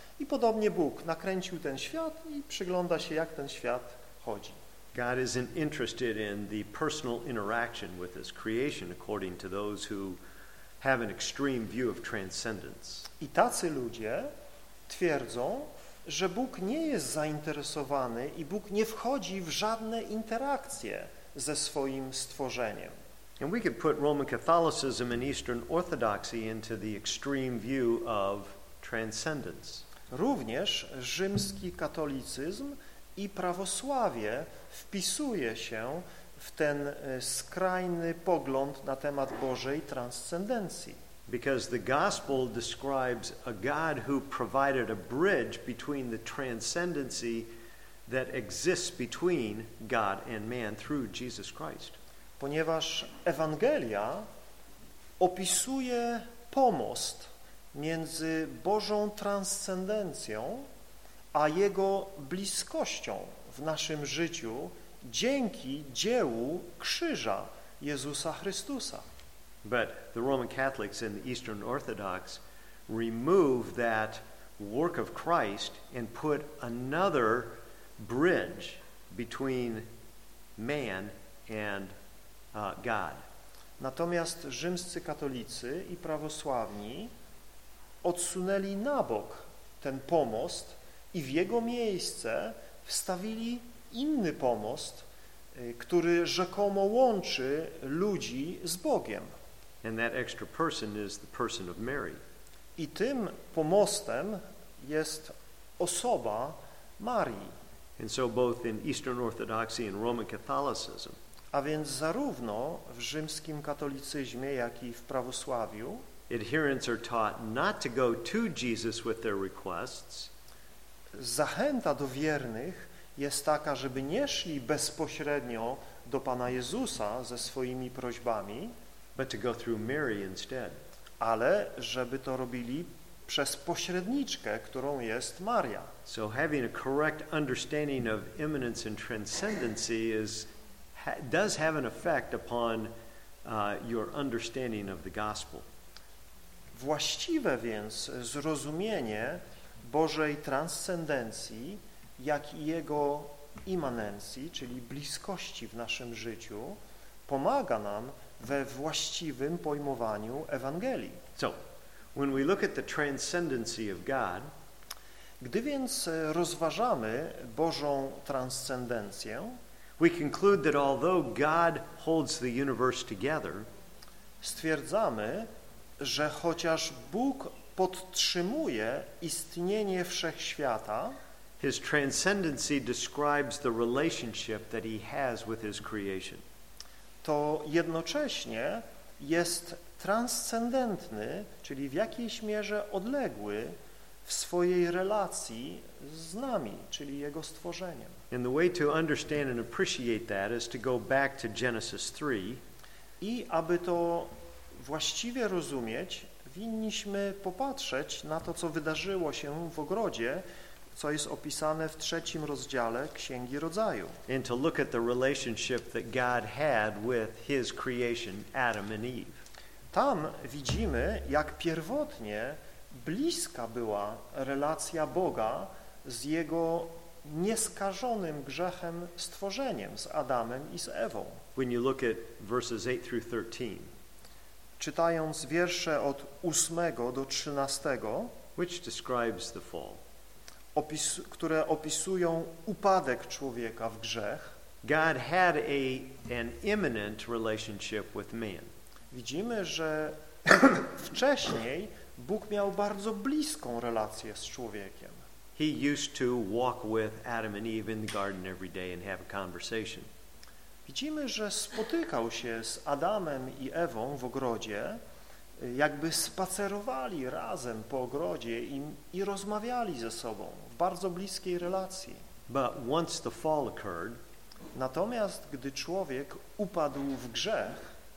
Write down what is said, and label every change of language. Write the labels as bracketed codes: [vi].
[pl] I podobnie Bóg nakręcił ten świat i przygląda się, jak ten świat chodzi. [en] God isn't interested in the personal interaction with his creation, according to those who have an extreme view of transcendence. [pl] I tacy ludzie twierdzą, że Bóg nie jest zainteresowany i Bóg nie wchodzi w żadne interakcje ze swoim stworzeniem. [en] And we could put Roman Catholicism and Eastern Orthodoxy into the extreme view of transcendence. [pl] Również rzymski katolicyzm i prawosławie wpisuje się w ten skrajny pogląd na temat Bożej transcendencji. [en] Because the gospel describes a God who provided a bridge between the transcendency that exists between God and man through Jesus Christ. [pl] Ponieważ Ewangelia opisuje pomost między Bożą transcendencją a Jego bliskością w naszym życiu dzięki dziełu krzyża Jezusa Chrystusa. [en] But the Roman Catholics and the Eastern Orthodox remove that work of Christ and put another bridge between man and God. [pl] Natomiast rzymscy katolicy i prawosławni odsunęli na bok ten pomost i w jego miejsce wstawili inny pomost, który rzekomo łączy ludzi z Bogiem. [en] And that extra person is the person of Mary. [pl] I tym pomostem jest osoba Marii. [en] And so both in Eastern Orthodoxy and Roman Catholicism. [pl] A więc zarówno w rzymskim katolicyzmie, jak i w prawosławiu [en] adherents are taught not to go to Jesus with their requests. [pl] Zachęta do wiernych jest taka, żeby nie szli bezpośrednio do Pana Jezusa ze swoimi prośbami, [en] but to go through Mary instead. [pl] Ale żeby to robili przez pośredniczkę, którą jest Maria. [en] So having a correct understanding of immanence and transcendency does have an effect upon your understanding of the gospel. [pl] Właściwe więc zrozumienie Bożej transcendencji, jak i Jego immanencji, czyli bliskości w naszym życiu, pomaga nam we właściwym pojmowaniu Ewangelii. [en] So, when we look at the transcendency of God, [pl] gdy więc rozważamy Bożą transcendencję, [en] we conclude that although God holds the universe together, [pl] stwierdzamy, że chociaż Bóg podtrzymuje istnienie wszechświata, [en] his transcendency describes the relationship that he has with his creation. [pl] To jednocześnie jest transcendentny, czyli w jakiejś mierze odległy w swojej relacji z nami, czyli jego stworzeniem. [en] And the way to understand and appreciate that is to go back to Genesis 3. [pl] I aby to właściwie rozumieć, winniśmy popatrzeć na to, co wydarzyło się w ogrodzie, co jest opisane w trzecim rozdziale Księgi Rodzaju. [en] And to look at the relationship that God had with his creation, Adam and Eve. [pl] Tam widzimy, jak pierwotnie bliska była relacja Boga z jego nieskażonym grzechem stworzeniem, z Adamem i z Ewą. [en] When you look at verses 8 through 13. [pl] Czytając wiersze od 8 do 13, [en] which describes the fall, [pl] które opisują upadek człowieka w grzech, [en] God had an imminent relationship with man. [pl] Widzimy, że wcześniej Bóg miał bardzo bliską relację z człowiekiem. [en] He used to walk with Adam and Eve in the garden every day and have a conversation. [pl] Widzimy, że spotykał się z Adamem i Ewą w ogrodzie, jakby spacerowali razem po ogrodzie i rozmawiali ze sobą w bardzo bliskiej relacji. [en] But once the fall occurred, [pl] natomiast gdy człowiek upadł w grzech,